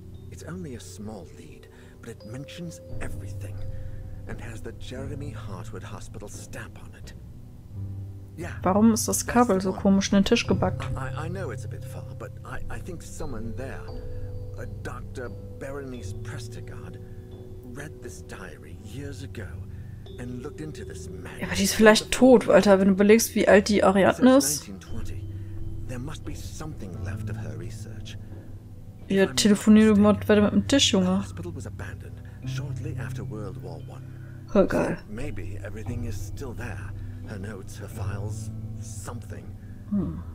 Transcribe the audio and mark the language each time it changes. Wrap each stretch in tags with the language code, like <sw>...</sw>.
<en>It's only a small lead, but it mentions everything and has the Jeremy Hartwood Hospital stamp on it. Yeah.</en> <de>Warum ist das Kabel so komisch in den Tisch gebackt?</de> <en>I know it's a bit far, but I think someone there, a Dr. Berenice Prestigard, read this diary years ago and looked into this man.</en> <de>Ja, aber die ist vielleicht tot, Alter, wenn du überlegst, wie alt die Ariadne ist.</de> <en>There must be something left of her research.</en> <de>Ihr telefoniert weiter mit dem Tisch, Junge.</de> <en>Hospital was abandoned shortly after World War One.</en> <de>Oh, geil.</de> <en>So maybe everything is still there. Her notes, her files, something. Hm.</en>